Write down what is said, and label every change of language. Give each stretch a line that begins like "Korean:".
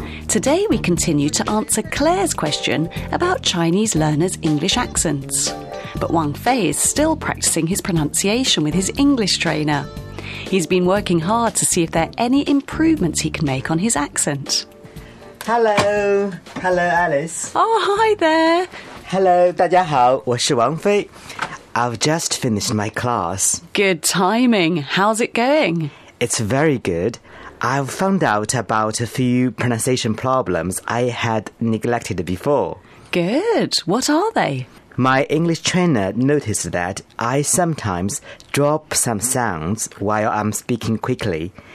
English: Today we continue to answer Claire's question about Chinese learners' English accents. But Wang Fei is still practicing his pronunciation with his English trainer. He's been working hard to see if there are any improvements he can make on his accent. Hello. Hello, Alice. Oh, hi there. Hello,
Chinese: 大家好,我是王菲。
English: I've just finished my class. Good timing. How's it going? It's very good. I've found out about a few pronunciation problems I had neglected before. Good. What are they? My English trainer noticed that I sometimes drop some sounds while I'm speaking quickly.